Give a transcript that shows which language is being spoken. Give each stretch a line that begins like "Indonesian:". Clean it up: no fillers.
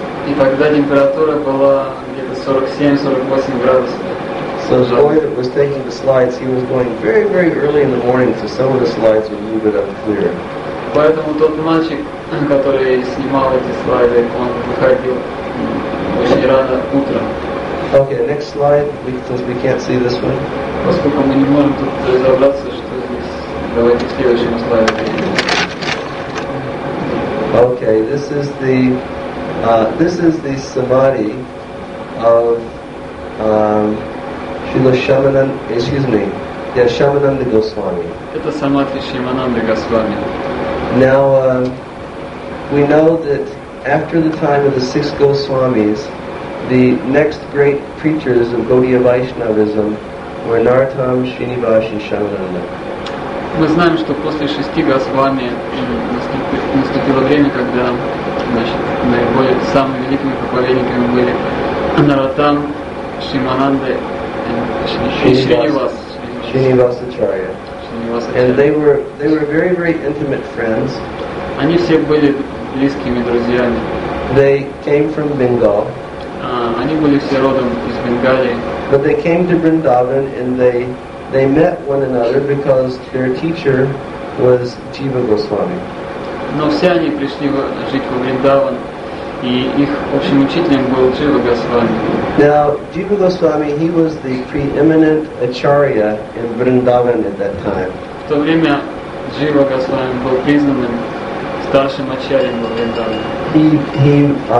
Russian: И тогда температура была где-то 47-48 градусов.
English: So the boy that was taking the slides, he was going very, very early in the morning, so some of the slides were a little bit unclear.
Russian: Поэтому тот мальчик, который снимал эти слайды, он выходил очень рано утром.
English: Okay, next slide, because we can't see this one.
Russian: Поскольку мы не можем тут разобраться, что здесь, давайте следующему слайду.
English: Okay, this is the samadhi of Shamananda Goswami.
Russian: Это самадхи Шамананды Госвами.
English: Now we know that after the time of the six Goswamis, the next great preachers of Gaudiya Vaishnavism were Narottam, Srinivas, and Shamananda.
Russian: Мы знаем, что после шести Госвами наступило время, когда наиболее самыми великими проповедниками были Наратан, Шимананда и Шринивас.
English: Шринивасачарья. And they were very, very intimate friends.
Russian: Они все были близкими друзьями.
English: They came from Bengal.
Russian: Они были все родом из Бенгалии.
English: But they came to Vrindavan and they met one another because their teacher was Jiva Goswami.
Russian: Но все они пришли жить во Вриндаван, и их общим учителем был Джива Госвами.
English: Now, Jiva Goswami, he was the preeminent acharya in Vrindavan at that time.
Russian: В то время Джива Госвами был признанным старшим ачарьем во Вриндаване.